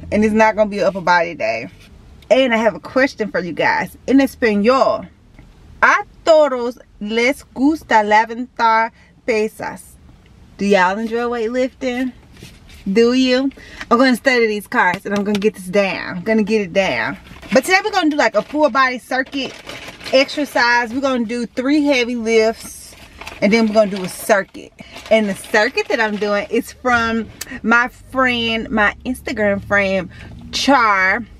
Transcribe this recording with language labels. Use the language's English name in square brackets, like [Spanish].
[English] And it's not going to be upper body day. And I have a question for you guys. [Spanish] En español, a todos les gusta levantar pesas. [English] Do y'all enjoy weightlifting? Do you? I'm going to study these cards and I'm going to get this down. I'm going to get it down. But today we're going to do like a full body circuit exercise. We're going to do 3 heavy lifts and then we're going to do a circuit. And the circuit that I'm doing is from my Instagram friend, Char.